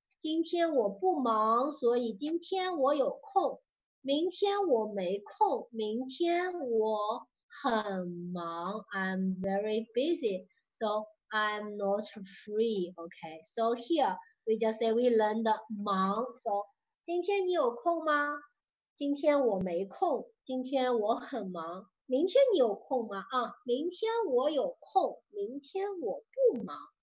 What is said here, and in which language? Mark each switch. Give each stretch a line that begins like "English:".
Chinese: 今天我不忙,所以今天我有空。明天我没空,明天我很忙。
English: I'm very busy, so I'm not free, okay. So here, we just say we learn the 忙. So,
Chinese: 今天你有空吗? 今天我没空,今天我很忙。明天你有空吗? 啊,明天我有空,明天我不忙。